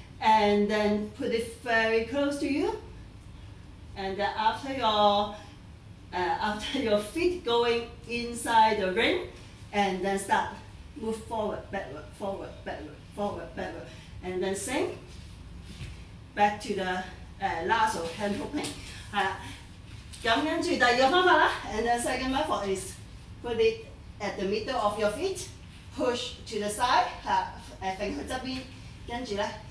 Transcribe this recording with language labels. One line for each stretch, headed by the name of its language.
English: And then put it very close to you. And then after your feet going inside the ring, and then start move forward, backward. And then same back to the lasso hand hopping.
Cantonese: 係啦，咁跟住第二個方法啦。
English: And then second method is put it at the middle of your feet, push to the side,
Cantonese: 係揈去側邊，跟住咧。